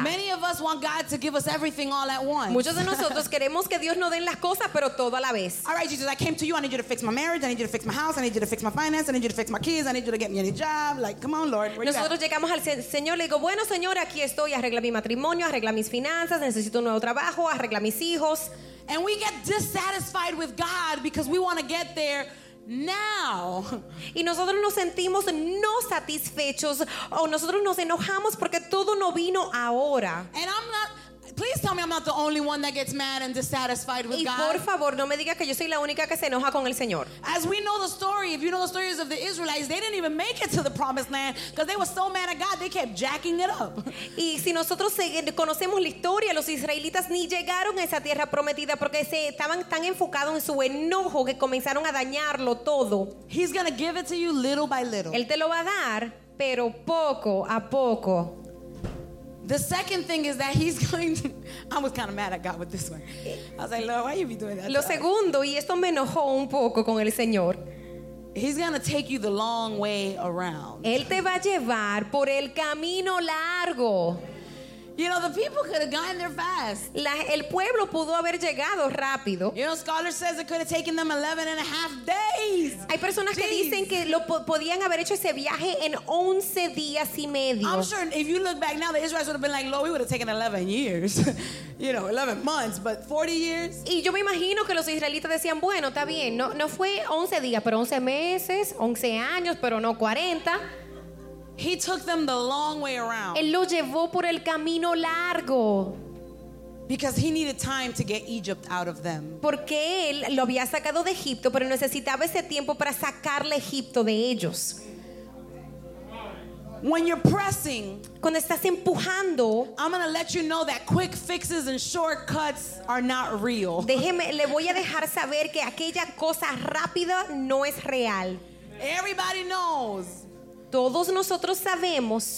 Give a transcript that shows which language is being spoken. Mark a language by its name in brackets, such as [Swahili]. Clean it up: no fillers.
[English] Many of us want God to give us everything all at once. [Spanish] Muchos de nosotros queremos que Dios nos den las cosas, pero todo a la vez. [English] All right, Jesus, I came to you. I need you to fix my marriage. I need you to fix my house. I need you to fix my finances. I need you to fix my kids. I need you to get me a new job. Like, come on, Lord. [Spanish] Nosotros llegamos al Señor, le digo, bueno, Señor, aquí estoy. Arregla mi matrimonio. Arregla mis finanzas. Necesito un nuevo trabajo. Arregla mis hijos. [English] And we get dissatisfied with God because we want to get there now. [Spanish] Y nosotros nos sentimos no satisfechos, o nosotros nos enojamos porque todo no vino ahora. [English] And I'm not, please tell me I'm not the only one that gets mad and dissatisfied with God. [Spanish] Y por favor, no me diga que yo soy la única que se enoja con el Señor. [English] As we know the story, if you know the stories of the Israelites, they didn't even make it to the promised land because they were so mad at God, they kept jacking it up. [Spanish] Y si nosotros conocemos la historia, los israelitas ni llegaron a esa tierra prometida porque se estaban tan enfocados en su enojo que comenzaron a dañarlo todo. [English] He's going to give it to you little by little. [Spanish] Él te lo va a dar, pero poco a poco. [English] The second thing is that he's going to, I was kind of mad at God with this one. I was like, Lord, why are you be doing that? [Spanish] Lo segundo, y esto me enojó un poco con el Señor. [English] He's going to take you the long way around. [Spanish] Él te va a llevar por el camino largo. [English] You know, the people could have gotten there fast. [Spanish] El pueblo pudo haber llegado rápido. [English] You know, scholars says it could have taken them 11 and a half days. [Spanish] Hay personas que dicen que podían haber hecho ese viaje en 11 días y medio. [English] I'm sure if you look back now, the Israelites would have been like, Lord, we would have taken 11 years. You know, 11 months, but 40 years. [Spanish] Y yo me imagino que los israelitas decían, bueno, está bien, no fue 11 días, pero 11 meses, 11 años, pero no 40. [English] He took them the long way around. [Spanish] Él lo llevó por el camino largo. [English] Because he needed time to get Egypt out of them. [Spanish] Porque él lo había sacado de Egipto, pero necesitaba ese tiempo para sacarle Egipto de ellos. [English] When you're pressing, [Spanish] cuando estás empujando, [English] I'm going to let you know that quick fixes and shortcuts are not real. [Spanish] Déjeme, le voy a dejar saber que aquella cosa rápida no es real. [English] Everybody knows. [Spanish] Todos nosotros sabemos.